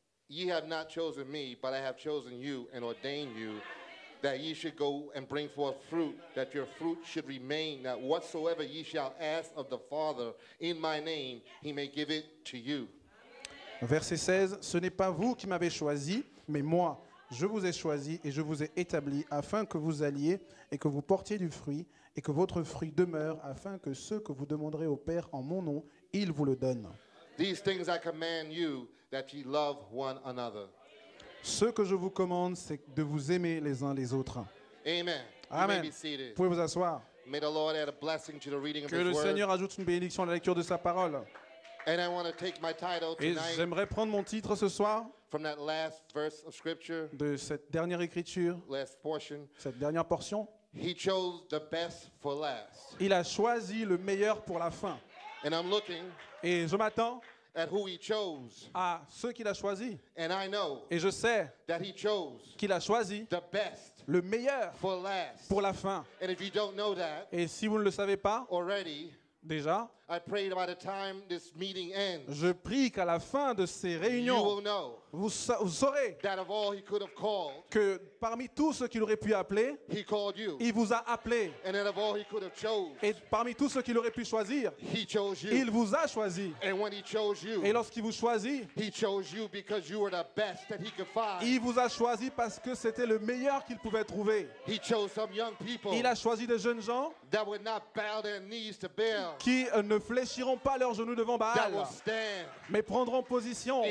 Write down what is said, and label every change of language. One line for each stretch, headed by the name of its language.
English: Ye have not chosen me, but I have chosen you and ordained you. That ye should go and bring forth fruit, that your fruit should remain, that whatsoever ye shall ask of the Father in my name, he may give it to you.
French: Verset 16, ce n'est pas vous qui m'avez choisi, mais moi, je vous ai choisi et je vous ai établi, afin que vous alliez et que vous portiez du fruit, et que votre fruit demeure, afin que ce que vous demanderez au Père en mon nom, il vous le donne.
English: These things I command you, that ye love one another.
French: Ce que je vous commande, c'est de vous aimer les uns les autres. Amen. Amen.
English: You may be seated.
French: Vous pouvez vous asseoir.
English: May the Lord add a blessing to the reading of
French: que
English: his
French: le
English: word.
French: Seigneur ajoute une bénédiction à la lecture de sa parole.
English: And I want to take my title
French: Et
English: tonight
French: j'aimerais prendre mon titre ce soir
English: from that last verse of scripture,
French: de cette dernière écriture,
English: last portion,
French: cette dernière portion.
English: He chose the best for last.
French: Il a choisi le meilleur pour la fin.
English: And I'm looking.
French: Et je m'attends
English: At who he chose.
French: À ceux qu'il a choisi.
English: And I know
French: et je sais
English: that he chose
French: qu'il a choisi
English: the best
French: le meilleur
English: for last.
French: Pour la fin.
English: And if you don't know that,
French: et si vous ne le savez pas
English: already,
French: déjà,
English: I pray by the time this meeting ends,
French: je prie qu'à la fin de ces réunions,
English: you will know
French: vous saurez
English: that of all he could have called,
French: que parmi tout ce qu'il aurait pu appeler,
English: he called you.
French: Il vous a appelé.
English: And out of all he could have chose,
French: et parmi tout ce qu'il aurait pu choisir,
English: he chose you.
French: Il vous a choisi.
English: And when he chose you,
French: et lorsqu'il vous choisit, il vous a choisi parce que c'était le meilleur qu'il pouvait trouver.
English: He chose some young people,
French: il a choisi des jeunes gens
English: that would not bow their knees to Baal,
French: qui ne fléchiront pas leurs genoux devant Baal, mais prendront position